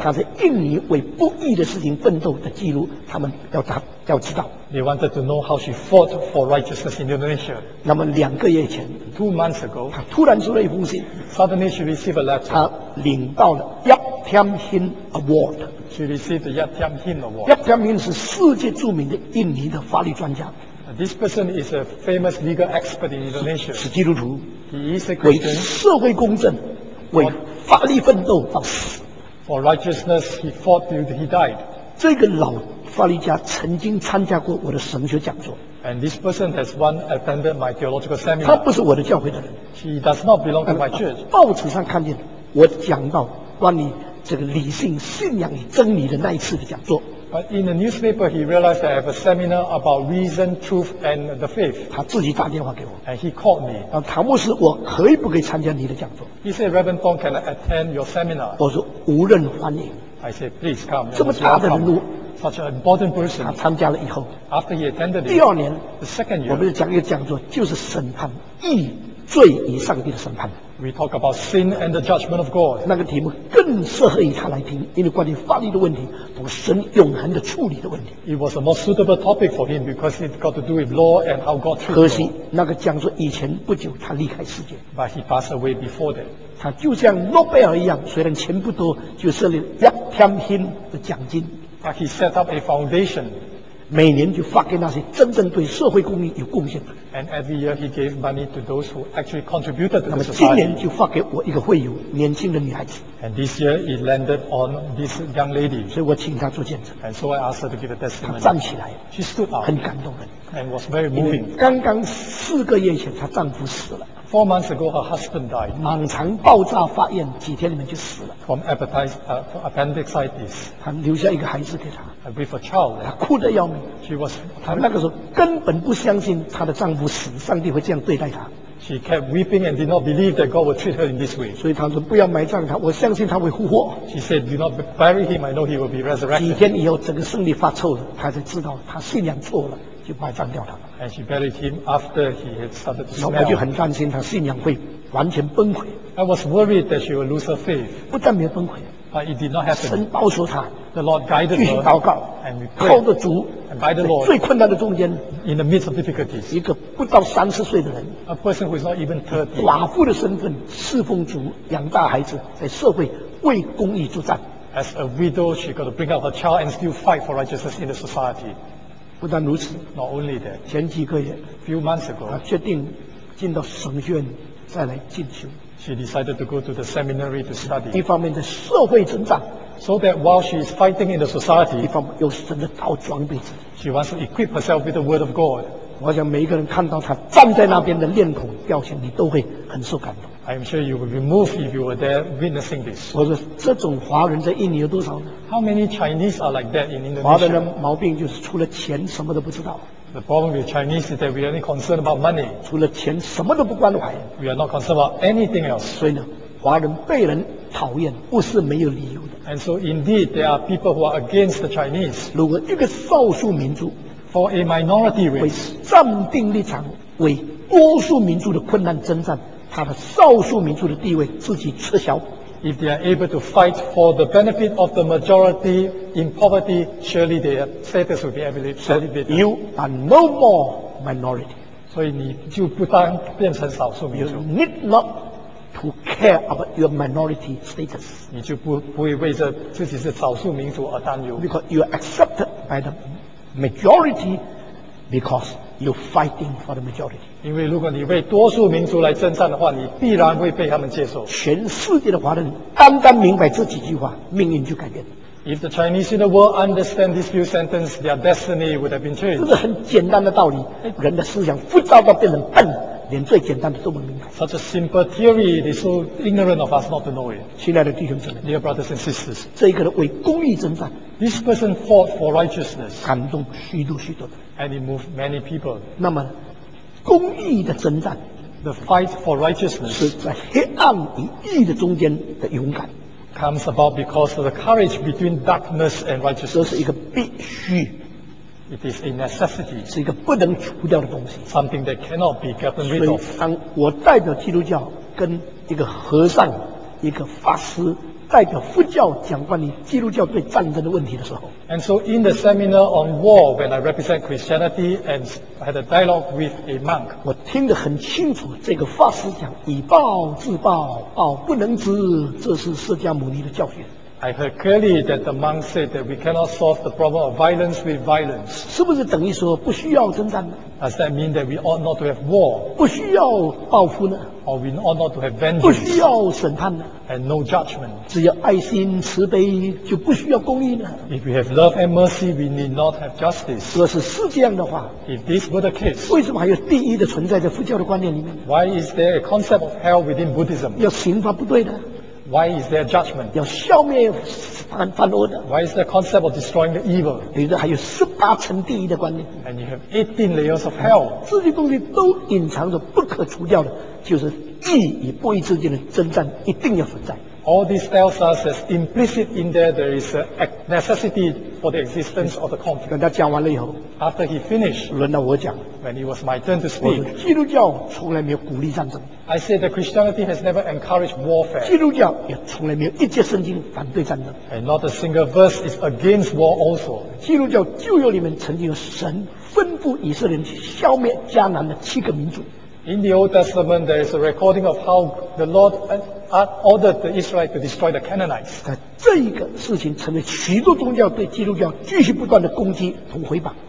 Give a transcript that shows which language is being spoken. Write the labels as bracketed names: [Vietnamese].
[Chinese] 她在印尼为不义的事情奋斗的记录，他们要知道。 [English] They wanted to know how she fought for righteousness in Indonesia. [Chinese] 那么两个月前 [English] ，Two months ago， [Chinese] 她突然收到一封信。 [English] Suddenly she received a letter. [Chinese] 她领到了 Yap Tiam Hin Award。 [English] She received the Yap Tiam Hin Award. [Chinese] Yap Tiam Hin 是世界著名的印尼的法律专家。 [English] This person is a famous legal expert in Indonesia. [Chinese] 是基督徒。 [English] He is a Christian. [Chinese] 为社会公正，为法律奋斗到死。 [English] For righteousness, he fought till he died. [Chinese] 这个老法律家曾经参加过我的神学讲座。 [English] And this person has once attended my theological seminar. [Chinese] 他不是我的教会的人。 [English] He does not belong to my church. [Chinese] 报纸上看见我讲到关于这个理性、信仰与真理的那一次的讲座。 [English] But in the newspaper, he realized that I have a seminar about reason, truth, and the faith. [Chinese] 他自己打电话给我。 [English] And he called me. [Chinese] 啊，唐牧师，我可以不可以参加你的讲座 [English] ？He said, Reverend Tong, can I attend your seminar? [Chinese] 我说无人欢迎。 [English] I said, please come. [Chinese] 这么大的人物 [English] ，such an important person. [Chinese] 他参加了以后 [English] ，after he attended, [Chinese] 第二年 [English] ，the second year, [Chinese] 我们就讲一个讲座，就是审判义罪与上帝的审判。 [English] We talk about sin and the judgment of God. [Chinese] 那个题目更适合于他来听，因为关于法律的问题，不是神永恒的处理的问题。 [English] It was a more suitable topic for him because it got to do with law and how God treats. [Chinese] 可惜那个讲座以前不久他离开世界。 [English] But he passed away before that. [Chinese] 他就像诺贝尔一样，虽然钱不多，就设立 Yap Tiam Hin 的奖金。 [English] But he set up a foundation. [Chinese] 每年就发给那些真正对社会公益有贡献的。 [English] And every year he gave money to those who actually contributed to the society. [Chinese] 那么今年就发给我一个会友，年轻的女孩子。 [English] And this year it landed on this young lady. [Chinese] 所以我请她做见证。 [English] And so I asked her to give a testimony. [Chinese] 她站起来。 [English] She stood up. [Chinese] 很感动的。 [English] And was very moving. [Chinese] 刚刚四个月前，她丈夫死了。 [English] Four months ago, her husband died. [Chinese] 盲肠爆炸发炎，几天里面就死了。 [English] From appendicitis. [Chinese] 她留下一个孩子给她。 [English] With a child. [Chinese] 她哭得要命。 [English] She was. [Chinese] 她那个时候根本不相信她的丈夫死，上帝会这样对待她。 [English] She kept weeping and did not believe that God would treat her in this way. [Chinese] 所以她说不要埋葬他，我相信他会复活。 [English] She said, "Do not bury him. I know he will be resurrected." [Chinese] 几天以后，整个身体发臭了，她才知道她信仰错了。就埋葬掉他。 [English] And she buried him after he had started to smell. [Chinese] 我就很担心他信仰会完全崩溃。 [English] I was worried that she would lose her faith. [Chinese] 不但没有崩溃。 [English] But it did not happen. [Chinese] 神保守他。 [English] The Lord guided her. [Chinese] 继续祷告。 [English] And we prayed. [Chinese] 靠着主。 [English] And by the Lord. [Chinese] 最困难的中间。 [English] In the midst of difficulties. [Chinese] 一个不到三十岁的人。 [English] A person who is not even 30. [Chinese] 寡妇的身份侍奉主，养大孩子，在社会为公义作战。 [English] As a widow, she got to bring up her child and still fight for righteousness in the society. [Chinese] 不但如此 [English] ，Not only that， [Chinese] 前几个月 [English] ，Few months ago， [Chinese] 他决定进到神学院再来进修。 [English] She decided to go to the seminary to study。 [Chinese] 一方面的社会成长 [English] ，So that while she is fighting in the society， [Chinese] 一方面又是真的靠装备自己。 [English] She wants to equip herself with the word of God。 [Chinese] 我想每一个人看到他站在那边的脸孔表情，你都会很受感动。 [English] I'm sure you will be moved if you were there witnessing this. [Chinese] 我说这种华人在印尼有多少呢 [English] ？How many Chinese are like that in Indonesia? [Chinese] 华人的毛病就是除了钱什么都不知道。 [English] The problem with Chinese is that we are not concerned about money. [Chinese] 除了钱什么都不关怀。 [English] We are not concerned about anything else. [Chinese] 所以呢，华人被人讨厌不是没有理由的。 [English] And so indeed, there are people who are against the Chinese. [Chinese] 如果一个少数民族 [English] ，for a minority race， [Chinese] 为站定立场，为多数民族的困难征战。他的少数民族的地位自己吃小。 [English] If they are able to fight for the benefit of the majority in poverty, surely their status will be elevated. You are no more minority. [Chinese] 所以你就不当变成少数民族。 [English] You need not to care about your minority status. [Chinese] 你就不会为着自己是少数民族而担忧。 [English] Because you are accepted by the majority, because. You're fighting for the majority. [Chinese] 因为如果你为多数民族来征战的话，你必然会被他们接受。全世界的华人单单明白这几句话，命运就改变了。 [English] If the Chinese in the world understand these few sentences, their destiny would have been changed. [Chinese] 这是很简单的道理。人的思想浮躁到变成笨，连最简单的都不明白。 [English] Such a simple theory, it is so ignorant of us not to know it. [Chinese] 亲爱的弟兄姊妹 [English] ，Dear brothers and sisters, [Chinese] 这个人为公义征战。 [English] This person fought for righteousness. [Chinese] 感动许多许多的。 [English] And it moved many people. [Chinese] 那么，公义的征战 [English] ，the fight for righteousness， [Chinese] 是在黑暗与义的中间的勇敢 [English] ，comes about because of the courage between darkness and righteousness. [Chinese] 这是一个必须 [English] It is a necessity. [Chinese] 是一个不能除掉的东西。 [English] Something that cannot be gotten rid of. [Chinese] 所以当我代表基督教跟一个和尚、一个法师代表佛教讲关于基督教对战争的问题的时候 [English] ，And so in the seminar on war, when I represent Christianity and had a dialogue with a monk, [Chinese] 我听得很清楚，这个法师讲以暴制暴，暴不能止，这是释迦牟尼的教训。 [English] I heard clearly that the monk said that we cannot solve the problem of violence with violence. [Chinese] 是不是等于说不需要征战呢 [English] ？Does that mean that we ought not to have war? [Chinese] 不需要报复呢 [English] ？Or we ought not to have vengeance? [Chinese] 不需要审判呢 [English] ？And no judgment. [Chinese] 只要爱心慈悲就不需要公义呢 [English] ？If we have love and mercy, we need not have justice. [Chinese] 若是这样的话 [English] ，If this were the case, [Chinese] 为什么还有地狱的存在在佛教的观念里面 [English] ？Why is there a concept of hell within Buddhism? [Chinese] 要刑罚不对的。 [English] Why is there judgment? [Chinese] 要消灭犯恶的。 [English] Why is the concept of destroying the evil? [Chinese] 比如说还有18层地狱的观念。 [English] And you have 18 layers of hell. [Chinese] 这些东西都隐藏着不可除掉的，就是义与不义之间的征战一定要存在。 [English] All this tells us that implicit in there, there is a necessity for the existence of the conflict. [Chinese] 等他讲完了以后 [English] ，After he finished， [Chinese] 轮到我讲。 [English] When it was my turn to speak， [Chinese] 我说基督教从来没有鼓励战争。 [English] I said that Christianity has never encouraged warfare. [Chinese] 基督教也从来没有一节圣经反对战争。 [English] And not a single verse is against war also. [Chinese] 基督教旧约里面曾经有神吩咐以色列人去消灭迦南的七个民族。 [English] In the Old Testament, there is a recording of how the Lord ordered the Israelites to destroy the Canaanites. [Chinese] 但这一个事情成为许多宗教对基督教继续不断的攻击和毁谤。